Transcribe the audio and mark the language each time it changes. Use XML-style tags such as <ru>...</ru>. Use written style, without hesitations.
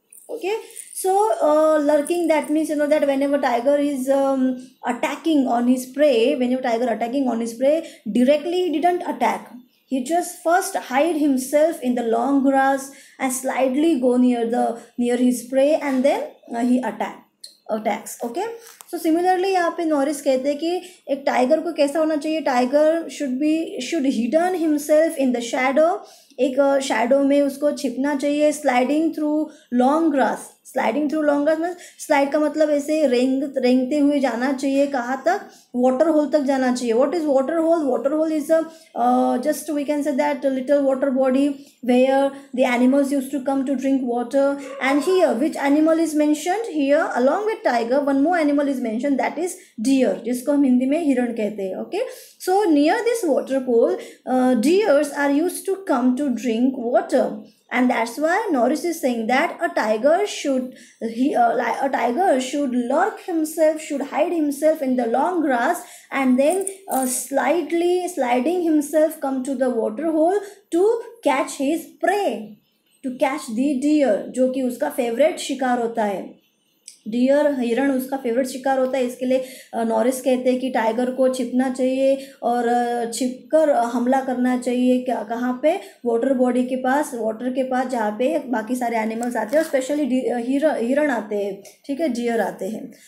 <en>Okay, so lurking, that means, you know, that whenever tiger is attacking on his prey, whenever tiger attacking on his prey, directly he didn't attack. He just first hide himself in the long grass and slightly go near his prey, and then he attacks. Okay, so similarly</en> <hi>यहाँ पे Norris कहते हैं कि एक tiger को कैसा होना चाहिए.</hi> <en>Tiger should hidden himself in the shadow.</en> <hi>एक शेडो में उसको छिपना चाहिए.</hi> <en>sliding through long grass</en> <hi>में स्लाइड का मतलब ऐसे रेंगते हुए जाना चाहिए. कहाँ तक? वाटर होल तक जाना चाहिए.</hi> <en>What is water hole? Water hole is a just we can say that little water body where the animals use to come to drink water. And here which animal is mentioned? Here along with tiger one more animal is mentioned, that is deer,</en> <hi>जिसको हम हिंदी में हिरण कहते हैं.</hi> <en>Okay, so near this water hole deers are use to come to drink water. And that's why Norris is saying that a tiger should hide himself in the long grass, and then slightly sliding himself come to the water hole to catch his prey, to catch the deer,</en> <hi>जो कि उसका favourite शिकार होता है. Dear, हिरण उसका favourite शिकार होता है. इसके लिए नॉरिस कहते हैं कि टाइगर को छिपना चाहिए और छिपकर हमला करना चाहिए. क्या, कहाँ पे? वाटर बॉडी के पास, वाटर के पास, जहाँ पे बाकी सारे एनिमल्स आते हैं, स्पेशली हिरण आते हैं. ठीक है, डियर आते हैं.</hi>